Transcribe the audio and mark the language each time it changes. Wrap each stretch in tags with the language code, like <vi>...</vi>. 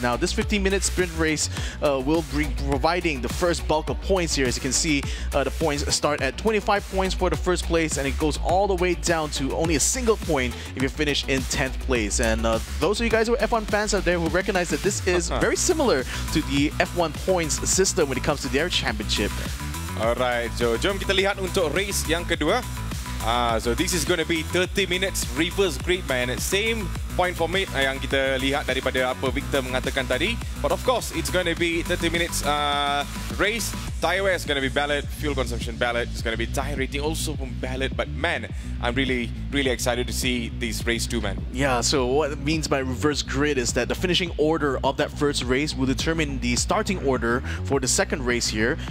<en>Now this 15-minute sprint race will be providing the first bulk of points here. As you can see, the points start at 25 points for the first place, and it goes all the way down to only a single point if you finish in 10th place. And those of you guys who are F1 fans out there who recognize that this is very similar to the F1 points system when it comes to their championship. Alright, so</en> <ms>jom kita lihat untuk race yang kedua.</ms> <en>So this is going to be 30 minutes reverse grid, man. Same point format</en> <ms>yang kita lihat daripada apa Victor mengatakan tadi.</ms> <en>But of course, it's going to be 30 minutes race. Tire wear is going to be ballot, fuel consumption ballot. It's going to be tire rating also from ballot. But man, I'm really, really excited to see this race too, man. Yeah, so what it means by reverse grid is that the finishing order of that first race will determine the starting order for the second race here.</en>